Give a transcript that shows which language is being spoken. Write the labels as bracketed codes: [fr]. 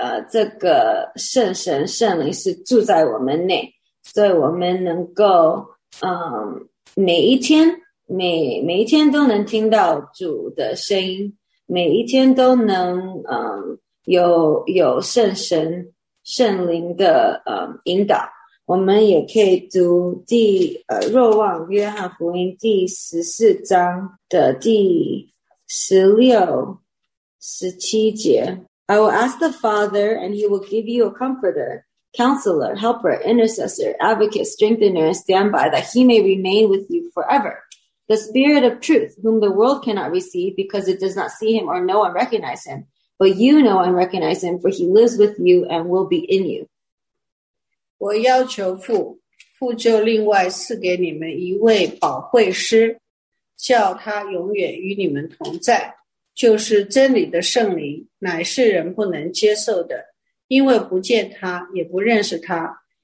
[zh] 这个圣神圣灵是住在我们内，所以我们能够每一天都能听到主的声音，每一天都能有圣神圣灵的引导。我们也可以读若望约翰福音第14章的第16-17节。 [en] I will ask the Father, and he will give you a comforter, counselor, helper, intercessor, advocate, strengthener, and standby, that he may remain with you forever. The Spirit of truth, whom the world cannot receive, because it does not see him or know and recognize him. But you know and recognize him, for he lives with you and will be in you. [zh] 我要求父就另外赐给你们一位保惠师，叫他永远与你们同在，就是真理的圣灵，乃是人不能接受的，因为不见他，也不认识他。